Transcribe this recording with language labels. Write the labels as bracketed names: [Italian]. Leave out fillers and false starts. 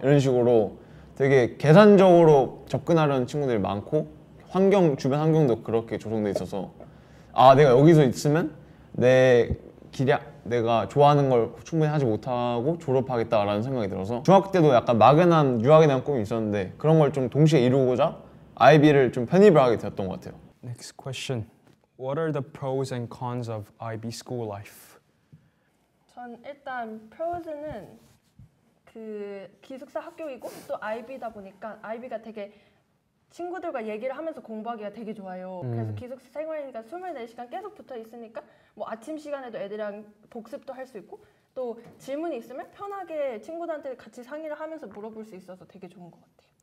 [Korean] 이런 식으로 되게 계산적으로 접근하려는 친구들이 많고 환경, 주변 환경도 그렇게 조성돼 있어서 아 내가 여기서 있으면 내 기량, 내가 좋아하는 걸 충분히 하지 못하고 졸업하겠다라는 생각이 들어서 중학교 때도 약간 막연한 유학에 대한 꿈이 있었는데 그런 걸 좀 동시에 이루고자 IB를 좀 편입을 하게 되었던 것 같아요. [English] Next question. What are the pros and cons of IB school life? [Korean] 전 일단 pros는 그 기숙사 학교이고 또 IB다 보니까 IB가 되게 친구들과 얘기를 하면서 공부하기가 되게 좋아요. 그래서 기숙사 생활이니까 24시간 계속 붙어 있으니까 뭐 아침 시간에도 애들이랑 복습도 할 수 있고 또 질문이 있으면 편하게 친구들한테 같이 상의를 하면서 물어볼 수 있어서 되게 좋은 것 같아요.